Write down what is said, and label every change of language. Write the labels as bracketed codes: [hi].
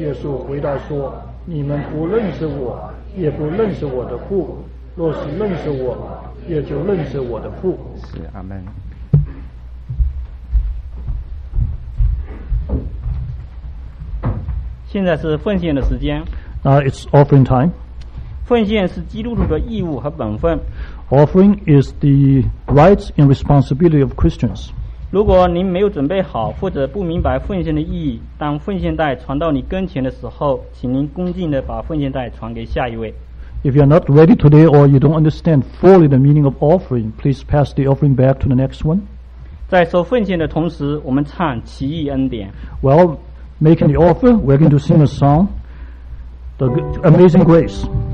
[zh] 耶稣回答说：你们不认识我，也不认识我的父，若是认识我，也就认识我的父。是，阿们。现在是奉献的时间。 [en] It's offering time. [zh] 奉献是基督徒的义务和本分。 [en] Offering is the rights and responsibility of Christians. [zh] 如果您没有准备好或者不明白奉献的意义，当奉献袋传到你跟前的时候，请您恭敬地把奉献袋传给下一位。 [en] If you are not ready today or you don't understand fully the meaning of offering, please pass the offering back to the next one. [zh] 在收奉献的同时，我们唱奇异恩典。 [en] Well,making the offer, we're going to sing a song, The Amazing Grace.